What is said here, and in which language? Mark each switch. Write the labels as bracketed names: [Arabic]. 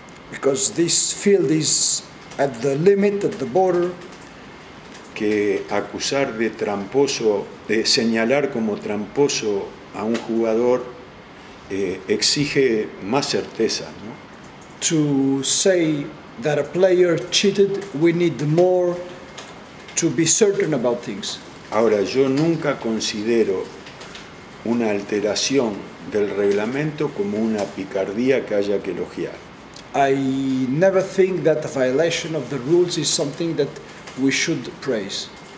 [English] Because this field is at the limit, at the border. [Spanish] Que acusar de tramposo, de señalar como tramposo a un jugador, exige más certeza, ¿no? [English] To say that a player cheated, we need more to be certain about things. [Spanish] Ahora, yo nunca considero una alteración del reglamento como una picardía que haya que elogiar. [English] I never think that a violation of the rules is something that we should praise.